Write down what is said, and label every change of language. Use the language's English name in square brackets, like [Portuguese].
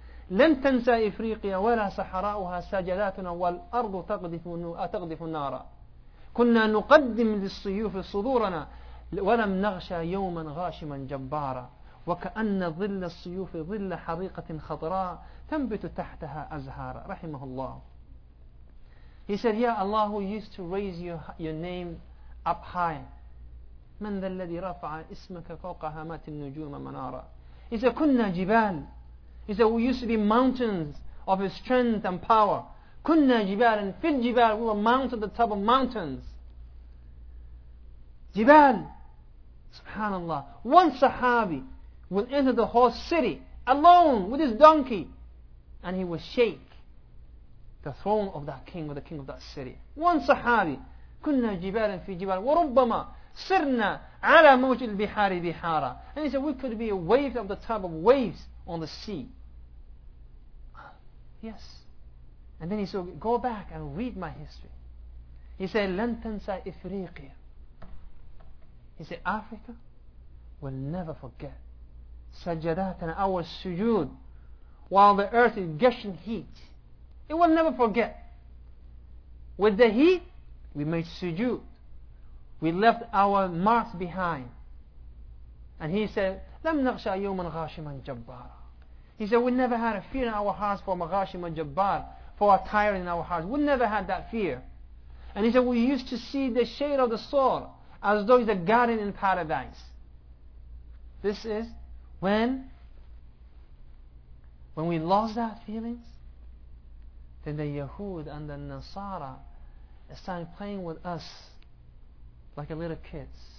[Arabic] لن تنسى إفريقيا ولا صحراؤها سجلاتنا والأرض تقذف النار. كنا نقدم للصيوف صدورنا ولم نغشى يوما غاشما جبارا. وكأن ظل الصيوف ظل حريقة خضراء تنبت تحتها أزهارا. رحمه الله. [English] He said, yeah, Allah, who used to raise your name up high. [Arabic] من ذا الذي رفع اسمك فوق هامات النجوم منارا. [English] He said, [Arabic] كنا جبال. [English] He said, we used to be mountains of strength and power. [Arabic] كنا جبال. [English] And [Arabic] في الجبال, [English] we were mounted at the top of mountains. [Arabic] جبال. سبحان الله. [English] One Sahabi will enter the whole city alone with his donkey, and he will shake the throne of that king, or the king of that city. One Sahabi. [Arabic] كنا جبال في جبال. وربما سرنا على موج البحار بحارا. [English] And he said, we could be a wave of the type of waves on the sea. Yes. And then he said, go back and read my history. He said, [Arabic] لن تنسى إفريقيا. [English] He said, Africa will never forget. سجداتنا, our sujood, while the earth is gushing heat. It will never forget. With the heat, We made sujood. We left our marks behind. And he said, [Arabic] لَمْ نَغْشَى يَوْمًا غَاشِمًا جَبَّارًا. [English] He said, we never had a fear in our hearts for [Arabic] مَغَاشِمًا جَبَّارًا, [English] for a tyrant in our hearts. We never had that fear. And he said, we used to see the shade of the soul as though it's a garden in paradise. This is when we lost that feelings, then the Yahud and the Nasara started playing with us like a little kids.